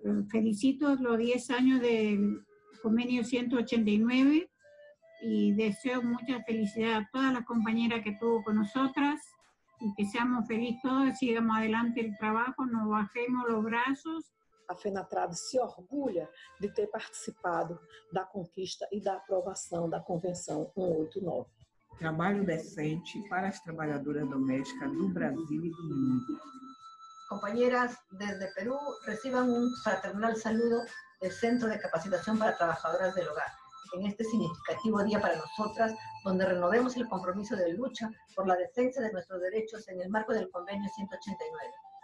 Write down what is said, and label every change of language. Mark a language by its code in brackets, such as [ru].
[es] Felicito los 10 años del convenio 189 y deseo mucha felicidad a todas las compañeras que estuvo con nosotras y que seamos felices todas, sigamos adelante el trabajo, no bajemos los brazos. [pt] A FENATRAD se orgulha de ter participado da conquista e da aprovação da Convenção 189. Trabalho decente para as trabalhadoras domésticas do Brasil e do mundo. [es] Compañeras desde Perú, reciban un fraternal saludo del Centro de Capacitación para Trabajadoras del Hogar. En este significativo día para nosotras, donde renovemos el compromiso de lucha por la defensa de nuestros derechos en el marco del Convenio 189.